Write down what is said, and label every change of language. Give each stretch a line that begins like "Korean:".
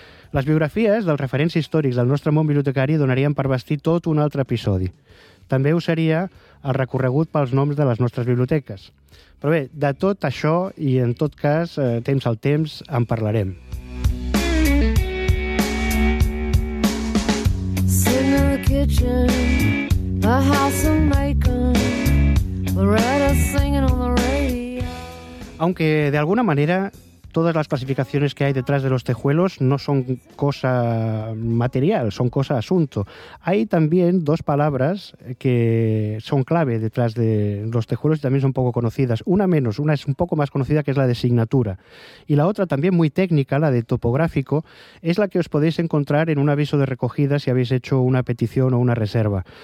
Catalan: Les biografies dels referents històrics del nostre món bibliotecari donarien per bastir tot un altre episodi. També ho seria el recorregut pels noms de les nostres biblioteques. Però bé, de tot això, i en tot cas, temps al temps, en parlarem.
English: kitchen, the house of Macon, Loretta singing on the radio.
Spanish: Aunque de alguna manera todas las clasificaciones que hay detrás de los tejuelos no son cosa material, son cosa asunto. Hay también dos palabras que son clave detrás de los tejuelos y también son poco conocidas. Una menos, una es un poco más conocida, que es la de signatura. Y la otra, también muy técnica, la de topográfico, es la que os podéis encontrar en un aviso de recogida si habéis hecho una petición o una reserva.